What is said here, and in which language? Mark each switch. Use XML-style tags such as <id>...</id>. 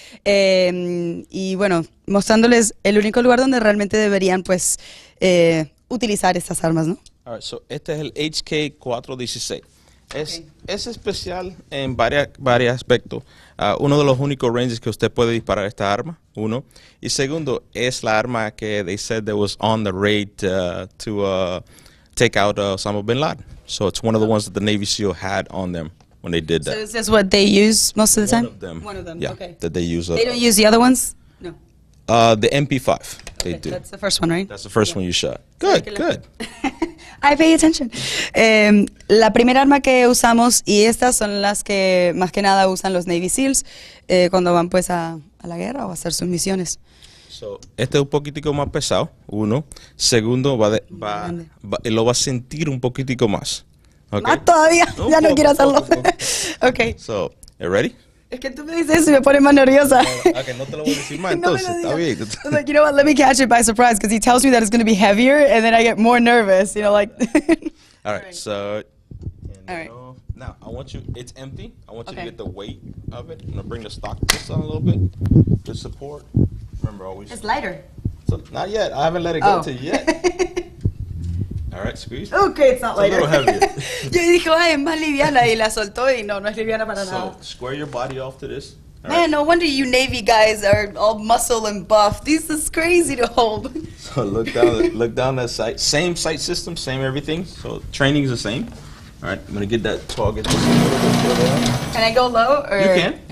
<es>Y bueno, mostrándoles el único lugar donde realmente deberían pues utilizar estas armas, ¿no?</es> <en>All right, so</en> <es>este es el HK416. Es especial en varios aspectos. Uno de los únicos ranges que usted puede disparar esta arma, uno. Y segundo, es la arma que</es> <en>they said that was on the raid to take out Osama bin Laden. So it's one of the ones that the Navy SEAL had on them when they did that. So is this what they use most of the time? One of them, yeah, okay. That they use. They don't use the other ones? No. The MP5, okay, they do. That's the first one, right? That's the first one you shot. Good, good. I pay attention.</en> <es>La primera arma que usamos y estas son las que más que nada usan los Navy SEALs cuando van pues a la guerra o a hacer sus misiones. So, este es un poquitico más pesado, uno. Segundo, lo va a sentir un poquitico más. Okay. Más todavía, ya no quiero hacerlo. Ok.</es> <en>So, are you ready?</en> <es>Es que tú me dices eso y me pones más nerviosa. Okay, no te lo voy a decir más, entonces, está bien.</es> <en>I'm like, you know what, let me catch it by surprise, because he tells me that it's going to be heavier, and then I get more nervous, you know, like. All right. Now, I want you, it's empty. I want you to get the weight of it. I'm going to bring the stock just on a little bit to support. Remember, always. It's lighter. So, not yet. I haven't let it go to yet. All right, squeeze. Okay, it's not it's lighter. A little heavier.</en> <es>Yo dije, ay, es más liviana, y la soltó, y no, no es liviana para</es> <en>so,</en> <es>nada.</es> <en>So, square your body off to this. All man, right. No wonder you Navy guys are all muscle and buff. This is crazy to hold. So, look down that sight. Same sight system, same everything. So, training is the same. All right, I'm going to get that target. Can I go low? Or you can.</en>